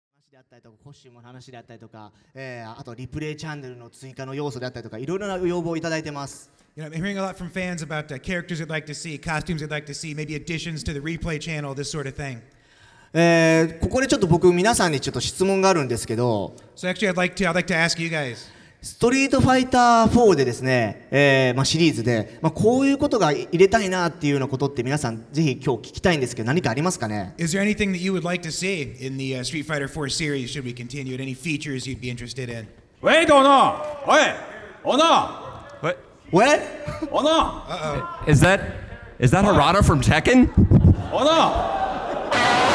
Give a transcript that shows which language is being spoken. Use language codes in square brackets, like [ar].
[ja] であったりとかコスチュームの話であったりとか、あとリプレイチャンネルの追加の要素であったりとかいろいろな要望をいただいてます。 [en] You know, I'm hearing a lot from fans about characters they'd like to see, costumes they'd like to see, maybe additions to the replay channel, this sort of thing. [ja] ここでちょっと僕皆さんにちょっと質問があるんですけど、 [en] So actually I'd like to ask you guys. [ja] ストリートファイター4でですね、まあ、シリーズで、まあ、こういうことが入れたいなっていうようなことって皆さんぜひ今日聞きたいんですけど何かありますかね。 [en] Is there anything that you would like to see in the Street Fighter 4 series should we continue? Any features you'd be interested in? Wait, Ono! Oi! Ono! What? What? Oh no! Uh-oh. Is that Harada from Tekken? Oh no!